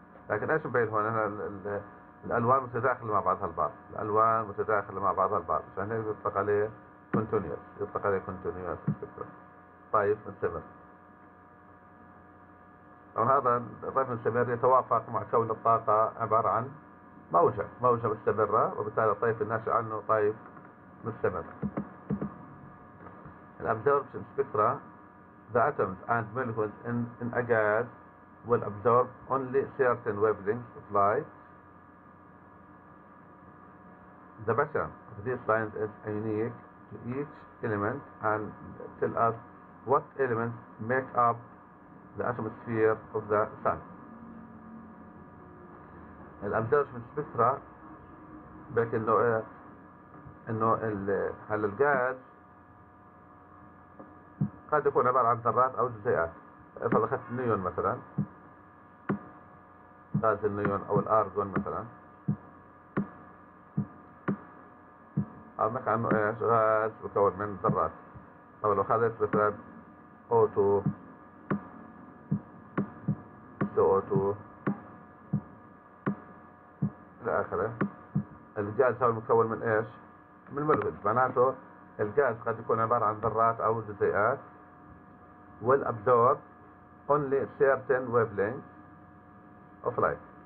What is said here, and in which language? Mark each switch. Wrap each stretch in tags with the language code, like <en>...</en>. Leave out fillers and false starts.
<ar>لكن ايش مبين هون؟ انا الالوان متداخله مع بعضها البعض، الالوان متداخله مع بعضها البعض، عشان هيك يطلق عليه كونتينوس، يطلق عليه كونتينوس. طيب نستمر، وهذا طيب نستمر يتوافق مع كون الطاقه عباره عن موجه، موجه مستمره، وبالتالي الطيف الناشئ عنه طيف مستمر. الابزوربشن سبيكترا</ar> <en>the atoms and molecules in a gas will absorb only certain wavelengths of light. The pattern of these lines is unique to each element and tell us what elements make up the atmosphere of the sun.</en> <ar>الابزوربشن سبيكترا بحكي انه هل الغاز قد يكون عباره عن ذرات او جزيئات. فلو اخذت النيون مثلا، غاز النيون او الارجون مثلا، عندك عنه ايش غاز مكون من ذرات. طب لو اخذت مثلا او2 CO2 الى اخره، الغاز هو المكون من ايش؟ من ملوث. معناته الغاز قد يكون عباره عن ذرات او جزيئات.</ar> <en>will absorb only certain wavelengths of light.</en>